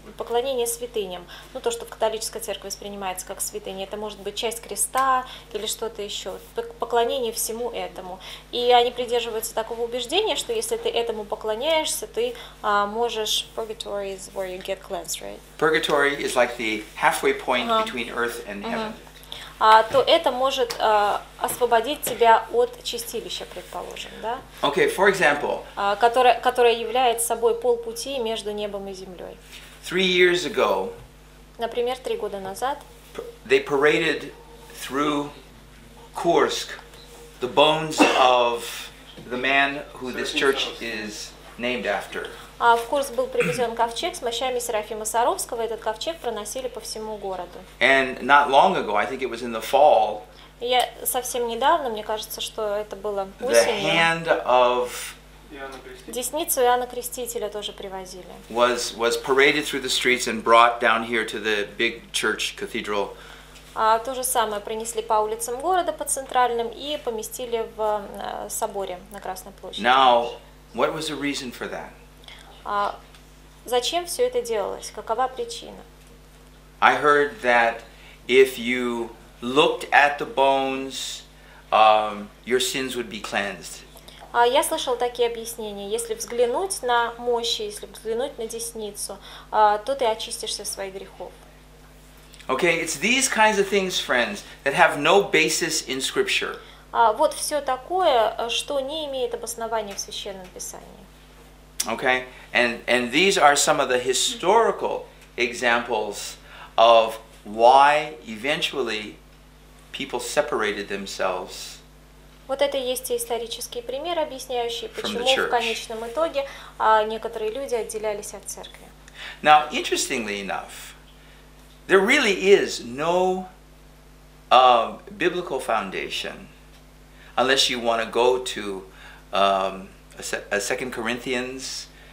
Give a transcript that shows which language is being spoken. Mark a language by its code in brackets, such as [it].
[ru] Поклонение святыням. Ну, то, что в католической церкви воспринимается как святыня, это может быть часть креста или что-то еще. Поклонение всему этому. И они придерживаются такого убеждения, что если ты этому поклоняешься, ты можешь... [en] Purgatory is where you get cleansed, right? Purgatory is like the halfway point between earth and heaven. [ru] То это может освободить тебя от чистилища, предположим, да? [en] Okay, for example. [ru] Которое является собой полпути между небом и землей. [en] 3 years ago. [ru] Например, 3 года назад. [en] They paraded through Kursk the bones of the man who this church is named after. [ru] В Курск был привезен ковчег с мощами Серафима Саровского. Этот ковчег проносили по всему городу. [en] And not long ago, I think it was in the fall. [ru] Я совсем недавно, мне кажется, что это было осенью. [en] The hand of [ru] Десницу Иоанна Крестителя тоже привозили. [en] Was paraded through the streets and brought down here to the big church cathedral. [ru] То же самое принесли по улицам города, по центральным, и поместили в соборе на Красной площади. [en] Now, what was the reason for that? [ru] Зачем все это делалось? Какова причина? [en] I heard that if you looked at the bones, your sins would be cleansed. [ru] Я слышал такие объяснения. Если взглянуть на мощи, если взглянуть на десницу, то ты очистишься своих грехов. [en] Okay, it's these kinds of things, friends, that have no basis in Scripture. [ru] Вот все такое, что не имеет обоснования в Священном Писании. [en] Okay, and these are some of the historical examples of why eventually people separated themselves. [ru] Вот это и есть исторический пример, объясняющий, почему в конечном итоге некоторые люди отделялись от церкви. [en] Now, interestingly enough, there really is no biblical foundation, unless you want to go to a Second Corinthians.